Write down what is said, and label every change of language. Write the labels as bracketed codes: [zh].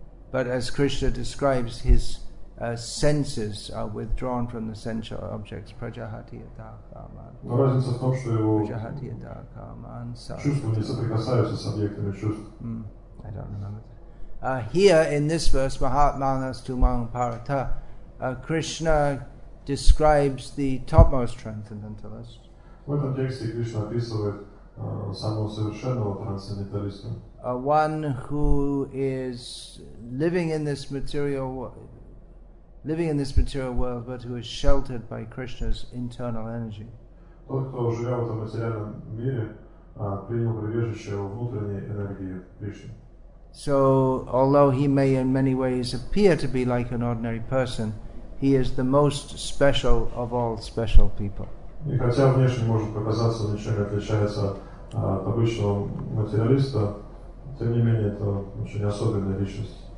[en] But as Krishna describes his senses are withdrawn from the sensual objects. [sa] Prajahati yata kaman. [ru] Но разница в том, что его [sa] Prajahati yata kaman. [ru] Чувства не соприкасаются с объектами чувств. [en] I don't remember. Here in this verse, Mahatmanas Tumang Parata, Krishna describes the topmost transcendentalist. [ru] В этом тексте Кришна описывает самого совершенного трансценденталиста. [en] One who is living in this material world. Living in this material world, but who is sheltered by Krishna's internal energy. [ru] Тот, кто живя в этом материальном мире, принял прибежище во внутренней энергии Кришны. [en] So, although he may in many ways appear to be like an ordinary person, he is the most special of all special people. [ru] И хотя внешне может показаться, ничем не отличается от обычного материалиста, тем не менее, это очень особенная личность.